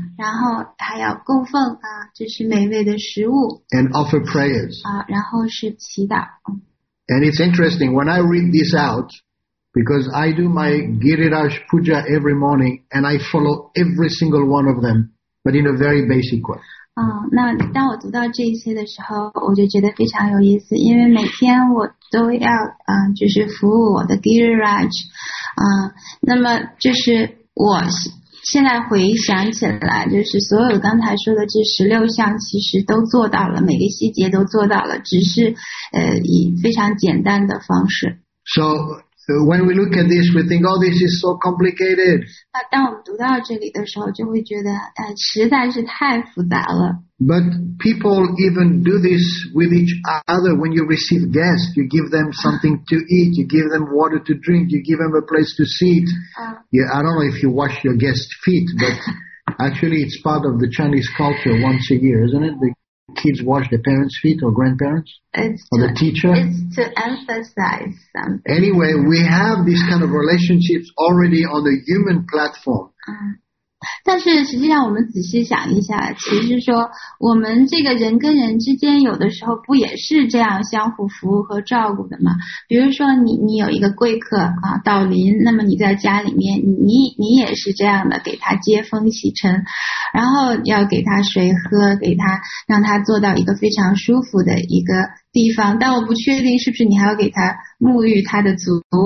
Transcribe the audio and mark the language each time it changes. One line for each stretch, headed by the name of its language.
Chinese: 然后还要供奉这是美味的食物。
English: And offer prayers，
Chinese: 然后是祈祷。
English: And it's interesting when I read this out， Because I do my Giriraj Puja every morning and I follow every single one of them, but in a very basic way.
Chinese: 那当我读到这一些的时候，我就觉得非常有意思，因为每天我都要，就是服务我的 Giriraj， 那么就是我现在回想起来，就是所有刚才说的这十六项，其实都做到了，每个细节都做到了，只是，以非常简单的方式。
English: So when we look at this, we think, "Oh, this is so complicated."
Chinese: 那当我们读到这里的时候，就会觉得，实在是太复杂了。
English: But people even do this with each other. When you receive guests, you give them something to eat, you give them water to drink, you give them a place to sit. Yeah, I don't know if you wash your guests' feet, but actually it's part of the Chinese culture once a year, isn't it? The kids wash their parents' feet or grandparents? It's or the teacher? It's to emphasize something. Anyway, we have these kind of relationships already on the human platform.
Chinese: 但是实际上我们仔细想一下，其实说我们这个人跟人之间有的时候不也是这样相互服务和照顾的吗？比如说你有一个贵客啊，到临，那么你在家里面你也是这样的，给他接风洗尘，然后要给他水喝，给他让他坐到一个非常舒服的一个地方，但我不确定是不是你还要给他沐浴他的足，